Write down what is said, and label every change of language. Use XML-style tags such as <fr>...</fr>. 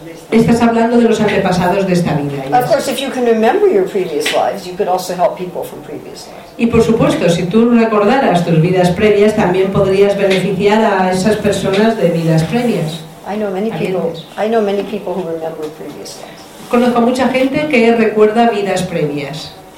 <es>estás hablando de los antepasados de esta vida.</es> <en>Of course, if you can remember your previous lives, you could also help people from previous lives.</en> <es>Y por supuesto, si tú recordaras tus vidas previas, también podrías beneficiar a esas personas de vidas previas.</es> <en>I know many people who remember previous lives.</en> <es>Conozco a mucha gente que recuerda vidas previas.</es>